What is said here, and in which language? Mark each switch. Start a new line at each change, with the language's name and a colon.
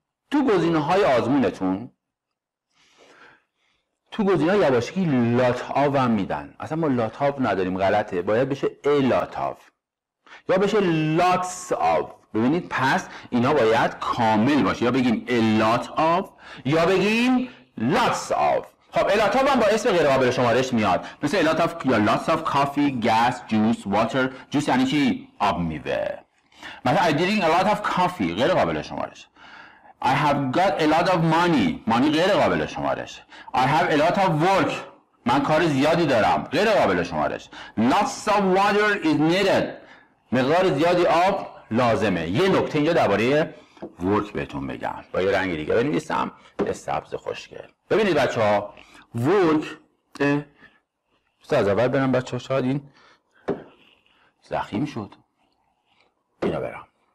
Persian: تو گزینه های آزمونتون، تو گزینه های یواشکی lot of هم میدن. اصلا ما lot of نداریم، غلطه، باید بشه الاتاف یا بشه lots of. ببینید پس اینا باید کامل باشه، یا بگیم a lot of یا بگیم lots of.
English: خب a lot of
Persian: هم با اسم غیر قابل شمارش میاد، مثل
English: a lot of یا lots of coffee, gas, juice, water.
Persian: juice یعنی چی؟ آب میوه. مثلا
English: I'm drinking a lot of coffee،
Persian: غیر قابل شمارش.
English: I have got a lot of money، money غیر قابل شمارش. I have a lot of work،
Persian: من کار زیادی دارم، غیر قابل شمارش.
English: lots of water is needed،
Persian: مقدار زیادی آب لازمه. یه نکته اینجا درباره ورک بهتون بگم، با یه رنگ دیگه بنویسم، سبز خوشگل. ببینید بچه ها، ورک بسه از اول برم بچه ها، شاید این زخیم شد، اینا برم.